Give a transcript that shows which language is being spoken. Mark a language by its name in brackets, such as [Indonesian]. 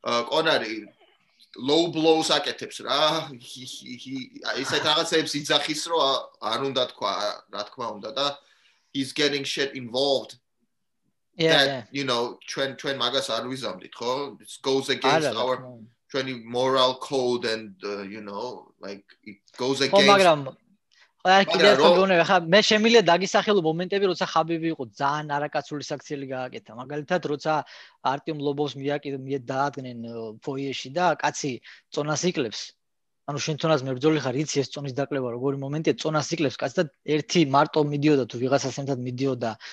[Georgian] კონარი [English] low blows [Georgian] აკეთებს რა. ისეთ რაღაცებს იძახის, რომ არ უნდა თქვა, რა თქმა უნდა და [English] he's getting shit involved. Yeah, that, yeah. You know, [Georgian] ჩვენ მაგას არ ვიზამდით, ხო? [English] It goes against our [Georgian] ჩვენი [English] moral code and you know, like it goes against [Georgian] აი კიდე თქვენ ახლა მე შემიძლია დაგისახელო მომენტები როცა ხაბიბი იყო ძალიან არაკაცული საქციელი გააკეთა, მაგალითად როცა არტიომ ლობოვს მიაკიდნენ დაადგნენ ფოიეში და კაცი წონას იკლებს, ანუ შენ თონას მებრძოლი ხარ, იცი ეს წონის დაკლება როგორი მომენტია, წონას იკლებს კაცი და ერთი მარტო მიდიოდა თუ ვიღაცას ერთად მიდიოდა